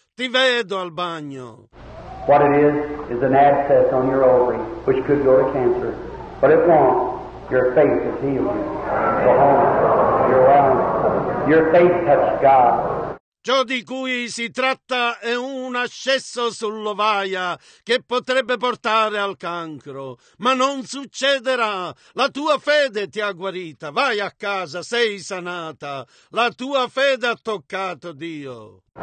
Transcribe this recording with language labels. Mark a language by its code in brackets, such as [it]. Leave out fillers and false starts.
[it] Ti vedo al bagno. [en] What it is an abscess on your ovary, which could go to cancer. But it won't. Your faith has healed you. Go home. You're well. Your faith touched God. [it] Ciò di cui si tratta è un ascesso sull'ovaia che potrebbe portare al cancro. Ma non succederà. La tua fede ti ha guarita. Vai a casa, sei sanata. La tua fede ha toccato Dio.